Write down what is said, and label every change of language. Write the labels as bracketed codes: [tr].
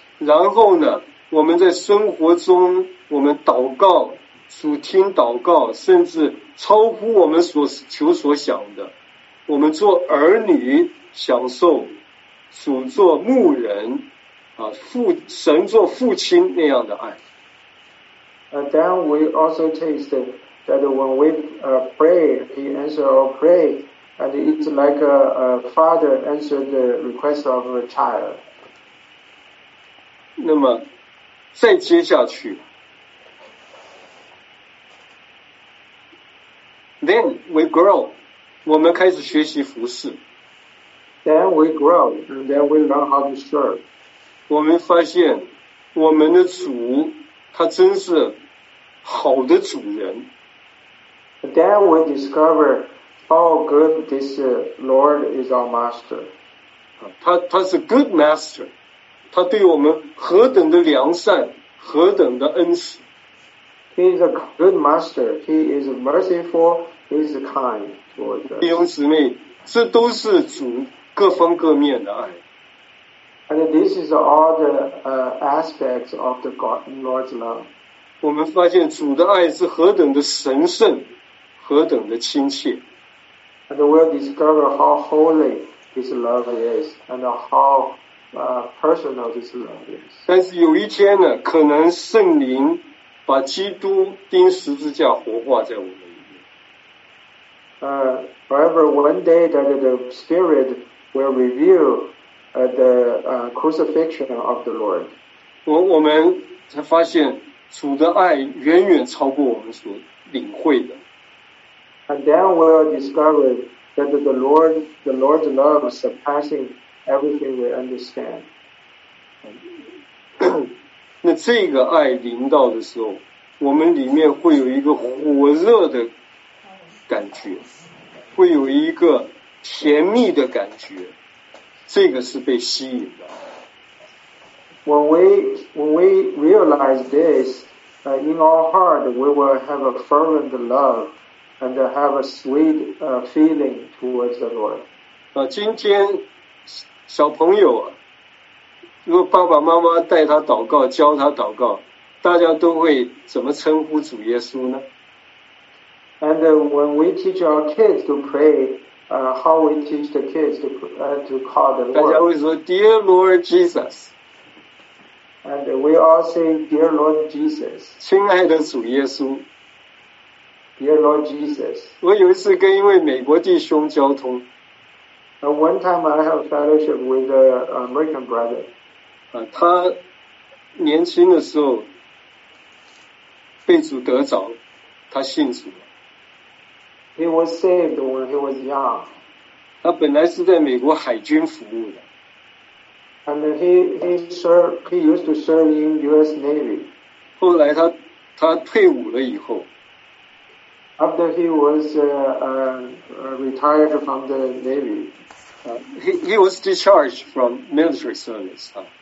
[zh] 然后呢，我们在生活中，我们祷告，主听祷告，甚至超乎我们所求所想的，我们做儿女享受主做牧人父神做父亲那样的爱。 [en] Then we also tasted that when we pray, he answered our prayAnd it's like a father answered the request of a child. [zh] 那么再接下去 [en] Then we grow. [zh] 我们开始学习服事。 [en] Then we grow. And then we learn how to serve. [zh] 我们发现我们的主他真是好的主人。 [en] Then we discover how good this Lord is our master. [zh] 他是 [en] good master. [zh] 他对我们何等的良善，何等的恩慈。 [en] He is a good master. He is merciful. He is kind towards us. [zh] 弟兄姊妹，这都是主各方各面的爱。 [en] And this is all the aspects of the God, Lord's love. [zh] 我们发现主的爱是何等的神圣，何等的亲切。 [en] And we'll discover how holy His love is, and how personal His love is. [zh] 但是有一天呢，可能圣灵把基督钉十字架活化在我们里面。 [en] However, one day that the Spirit will reveal the crucifixion of the Lord. [zh] 我们才发现主的爱远远超过我们所领会的。 [en] And then we'll discover that the Lord's love is surpassing everything we understand. [zh] 那这个爱临到的时候，我们里面会有一个火热的感觉，会有一个甜蜜的感觉，这个是被吸引的。 [en] When we realize this, in our heart, we will have a fervent love. And have a sweet feeling towards the Lord. [zh] 今天小朋友啊，如果爸爸妈妈带他祷告，教他祷告，大家都会怎么称呼主耶稣呢 [en] ？And when we teach our kids to pray, how we teach the kids to call the Lord? [zh] 大家会说 ， [en] Dear Lord Jesus. And we all say, Dear Lord Jesus. [zh] 亲爱的主耶稣。 [en] Dear Lord Jesus, [zh] 我有一次跟一位美国弟兄交通。 [en] One time I have fellowship with an American brother. [zh] 他年轻的时候被主得着，他信主了。 [en] He was saved when he was young. [zh] 他本来是在美国海军服务的。 [en] And he used to serve in U.S. Navy. [zh] 后来他退伍了以后。 [en] After he was retired from the Navy, he was discharged from military service.